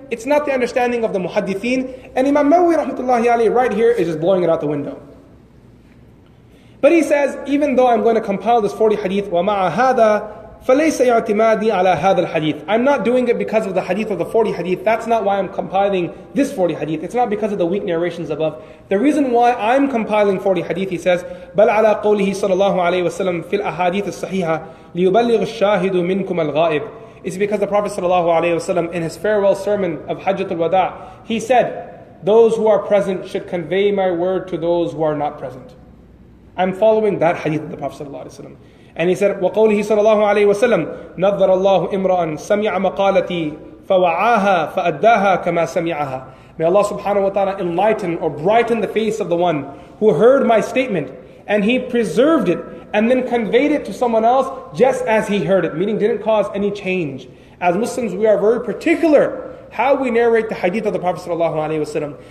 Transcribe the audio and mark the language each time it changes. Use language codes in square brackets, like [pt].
[en] It's not the understanding of the muhaddithin. And Imam Nawawi rahmatullahi alayhi right here is just blowing it out the window. But he says, even though I'm going to compile this 40 hadith, [ar] وَمَعَ هَذَا فَلَيْسَ يَعْتِمَادِي عَلَى هَذَا الْحَدِيثِ, [en] I'm not doing it because of the hadith of the 40 hadith. That's not why I'm compiling this 40 hadith. It's not because of the weak narrations above. The reason why I'm compiling 40 hadith, he says, [ar] بَلْ عَلَى قَوْلِهِ صَلَى اللَّهُ عَلَيْهِ وَسَلَّمْ فِي الْأَحَادِيثِ الصَّحِيحَةِ لِيُبَلِّغُ الشَّاهِدُ مِنْكُمْ الْغَائِبِ. [en] It's because the Prophet sallallahu alayhi wasallam, in his farewell sermon of Hajjatul Wada', he said, "Those who are present should convey my word to those who are not present." I'm following that hadith of the Prophet sallallahu alaihi wasallam, and he said, [ar] "وَقَوْلِهِ صَلَّى اللَّهُ عَلَيْهِ وَسَلَّمَ نَظَرَ اللَّهُ إِمْرَأً سَمِعَ مَقَالَتِي فَوَعَاهَا فَأَدَّاهَا كَمَا سَمِعَهَا." [en] May Allah subhanahu wa taala enlighten or brighten the face of the one who heard my statement, and he preserved it and then conveyed it to someone else just as he heard it, meaning didn't cause any change. As Muslims, we are very particular how we narrate the hadith of the Prophet sallallahu alaihi wasallam.